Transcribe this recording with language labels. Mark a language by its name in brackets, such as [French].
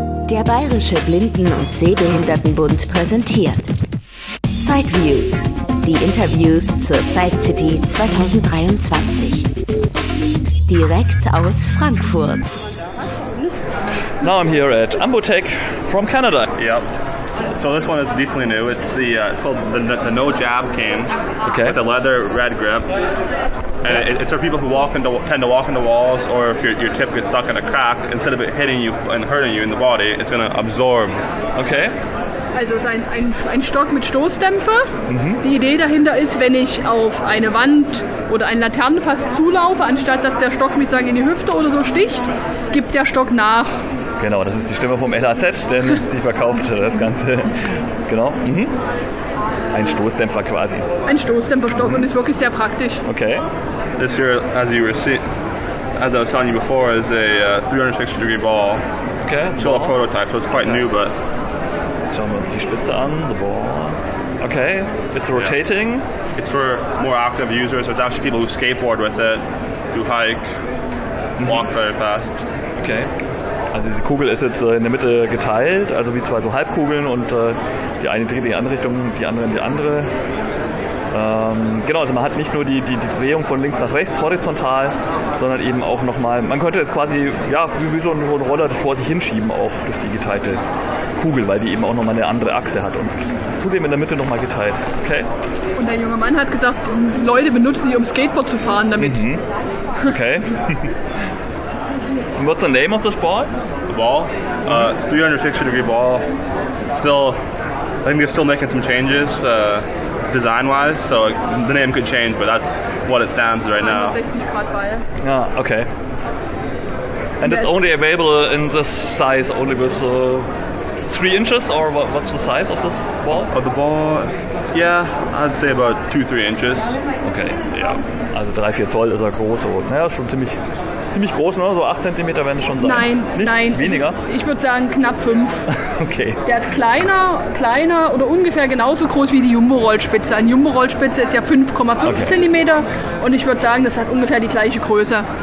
[German] Der Bayerische Blinden- und Sehbehindertenbund präsentiert Sideviews, die Interviews zur Side City 2023. Direkt aus Frankfurt. [English] Now I'm here at Ambotech from Canada. Yep. So this one is decently new. It's the it's called the No Jab Cane. Okay. With a leather red grip. And it's for people who tend to walk into walls, or if your tip gets stuck in a crack, instead of it hitting you and hurting you in the body, it's going to absorb. Okay. [German] Also es ist ein Stock mit Stoßdämpfer. Die Idee dahinter ist, wenn ich auf eine Wand oder ein Laternenfass zulaufe, anstatt dass der Stock mich sagen in die Hüfte oder so sticht, gibt der Stock nach. Genau, das ist die Stimme vom LAZ, denn sie verkauft das Ganze. Genau. Ein Stoßdämpfer quasi. Ein Stoßdämpferstock und ist wirklich sehr praktisch. Okay. [English] This here, as I was telling you before, is a 360-degree ball. Okay. Still a prototype, so it's quite new, but. [German] Schauen wir uns die Spitze an, [English] the ball. Okay, it's rotating. Yeah. It's for more active users, so it's actually people who skateboard with it, who hike, walk very fast. Okay. [German] Also diese Kugel ist jetzt in der Mitte geteilt, also wie zwei so Halbkugeln und die eine dreht in die andere Richtung, die andere in die andere. Genau, also man hat nicht nur die Drehung von links nach rechts horizontal, sondern eben auch nochmal, man könnte jetzt quasi, ja, wie so ein Roller das vor sich hinschieben auch durch die geteilte Kugel, weil die eben auch nochmal eine andere Achse hat und zudem in der Mitte nochmal geteilt. Okay. Und der junge Mann hat gesagt, Leute benutzen die, um Skateboard zu fahren damit. Mhm. Okay. [English] And what's the name of this ball? The ball? 360-degree ball. Still, I think they're still making some changes design-wise, so the name could change, but that's what it stands right now. [German] 360-Grad ball. Ah, okay. [English] And yes. It's only available in this size, only with 3 inches, or what's the size of this ball? Of the ball, yeah, I'd say about 2-3 inches. Okay. Yeah. [German] Also 3-4 Zoll ist er groß, so. Naja, schon ziemlich... Ziemlich groß, ne? So 8 cm werden es schon sein. Nein, nicht nein. Weniger? Ich würde sagen knapp 5. Okay. Der ist kleiner oder ungefähr genauso groß wie die Jumbo-Rollspitze. Eine Jumbo-Rollspitze ist ja 5,5 cm und ich würde sagen, das hat ungefähr die gleiche Größe.